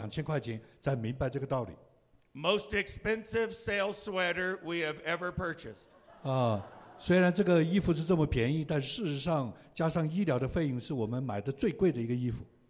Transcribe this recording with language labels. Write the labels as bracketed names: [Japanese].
[Chinese] 后来怎么发现呢？是因为他眼睛看不见，然后送到急诊室去，花了2000块钱，才明白这个道理。 [English] Most expensive sales sweater we have ever purchased. [Chinese] 虽然这个衣服是这么便宜，但事实上加上医疗的费用，是我们买的最贵的一个衣服。